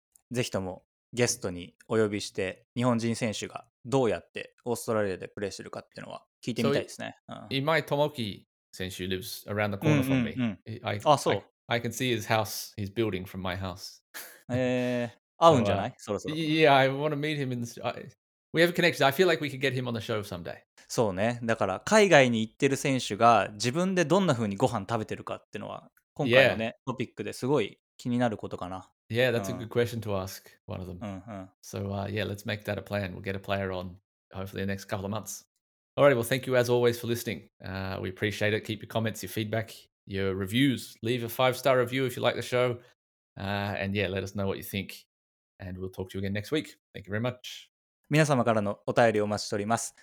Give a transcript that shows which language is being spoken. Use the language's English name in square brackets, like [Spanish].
[Japanese] ぜひともゲストにお呼びして、日本人選手がどうやってオーストラリアでプレーするかっていうのは聞いてみたいですね。 [English] Imai Tomoki 選手 lives around the corner from me. [Japanese] あ、そう。 [English] I can see his house, his building from my house. [Japanese] 会うんじゃない？そろそろ。 [English] Yeah, I want to meet him in the... We have a connection. I feel like we could get him on the show someday. [Japanese] そうね。だから海外に行ってる選手が自分でどんな風にご飯食べてるかっていうのは今回のね、トピックですごい気になることかな。 [English] Yeah, that's a good question to ask one of them. So yeah, let's make that a plan. We'll get a player on hopefully the next couple of months. Alright, well thank you as always for listening. We appreciate it. Keep your comments, your feedback, your reviews. Leave a 5-star review if you like the show. And yeah, let us know what you think. And we'll talk to you again next week. Thank you very much. [Japanese] 皆様からのお便りをお待ちしております。